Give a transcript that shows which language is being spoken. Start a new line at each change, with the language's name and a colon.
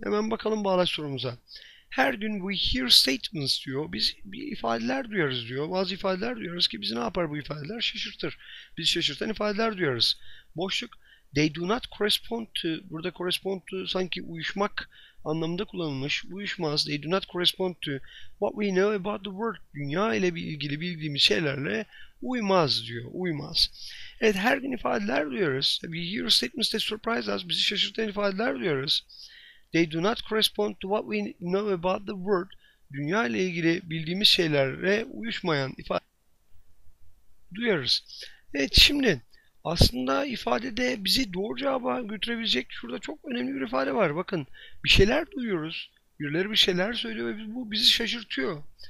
Turkish: Hemen bakalım bağlaç sorumuza. Her gün
English: we hear statements
Turkish: diyor. Biz bir ifadeler duyarız diyor. Bazı ifadeler duyarız ki bizi ne yapar bu ifadeler? Şaşırtır. Bizi şaşırtan ifadeler duyarız. Boşluk.
English: They do not correspond to.
Turkish: Burada correspond to sanki uyuşmak anlamında kullanılmış. Uyuşmaz.
English: They do not correspond to what we know about the world.
Turkish: Dünya ile ilgili bildiğimiz şeylerle uymaz diyor. Uymaz. Evet, her gün ifadeler duyuyoruz.
English: We hear statements that surprise us.
Turkish: Bizi şaşırtan ifadeler duyuyoruz.
English: They do not correspond to what we know about the world.
Turkish: Dünya ile ilgili bildiğimiz şeylere uyuşmayan ifade duyuyoruz. Evet, şimdi aslında ifadede bizi doğru cevaba götürebilecek şurada çok önemli bir ifade var. Bakın, bir şeyler duyuyoruz. Birileri bir şeyler söylüyor ve bu bizi şaşırtıyor.